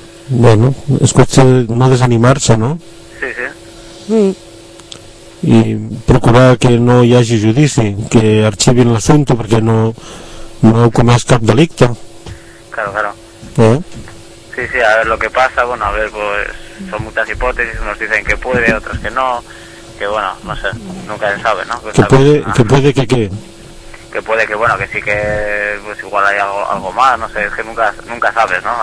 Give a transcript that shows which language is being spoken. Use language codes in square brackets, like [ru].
[es] Bueno, es cuestión de no desanimarse, ¿no? Sí, sí. [ca] Y procurar que no hi hagi judici, que arxivin l'assumpte perquè no, no heu comès cap delicte. [es] Claro, claro. ¿Eh? Sí, sí, a ver lo que pasa, bueno, a ver, pues son muchas hipótesis, unos dicen que puede, otros que no, que bueno, no sé, nunca se sabe, ¿no? Que puede, cosa, ¿no? Que puede que qué. Que puede que, bueno, que sí que, pues igual hay algo más, no sé, es que nunca sabes, ¿no?